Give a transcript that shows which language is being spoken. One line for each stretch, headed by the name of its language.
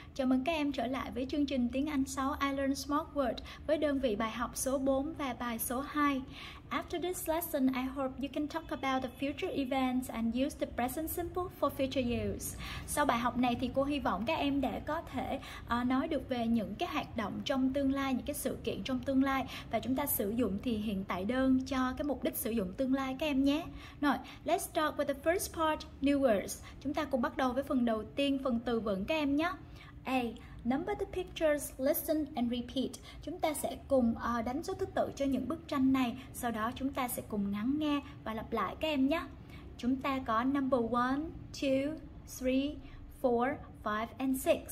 Vietnamese: Chào mừng các em trở lại với chương trình Tiếng Anh 6 I Learn Smart Word với đơn vị bài học số 4 và bài số 2.
English: After this lesson, I hope you can talk about the future events and use the present simple for future use.
Vietnamese: Sau bài học này thì cô hy vọng các em đã có thể nói được về những cái hoạt động trong tương lai, những cái sự kiện trong tương lai và chúng ta sử dụng thì hiện tại đơn cho cái mục đích sử dụng tương lai các em nhé.
English: Rồi, let's start with the first part, new words.
Vietnamese: Chúng ta cùng bắt đầu với phần đầu tiên, phần từ vựng các em nhé. A.
English: Number the pictures, listen and repeat.
Vietnamese: Chúng ta sẽ cùng đánh số thứ tự cho những bức tranh này. Sau đó chúng ta sẽ cùng lắng nghe và lặp lại các em nhé. Chúng ta có
English: number 1, 2, 3, 4, 5 and 6.